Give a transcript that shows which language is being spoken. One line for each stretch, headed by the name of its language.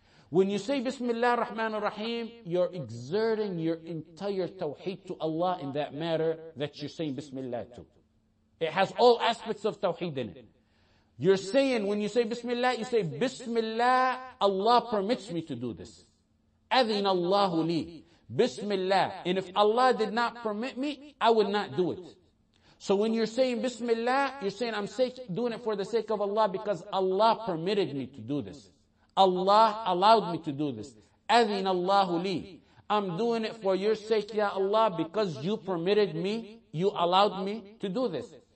English: When you say Bismillah ar-Rahman ar-Rahim, you're exerting your entire tawheed to Allah in that matter that you're saying Bismillah to. It has all aspects of tawheed in it. You're saying, when you say Bismillah, you say, Bismillah, Allah permits me to do this.
Arabic: أَذِنَ اللَّهُ لِي Bismillah.
English: And if Allah did not permit me, I would not do it. So when you're saying Bismillah, you're saying, I'm doing it for the sake of Allah because Allah permitted me to do this. Allah allowed me to do this.
Arabic: أَذِنَ اللَّهُ لِي
English: I'm doing it for your sake, Ya Allah, because you permitted me, you allowed me to do this.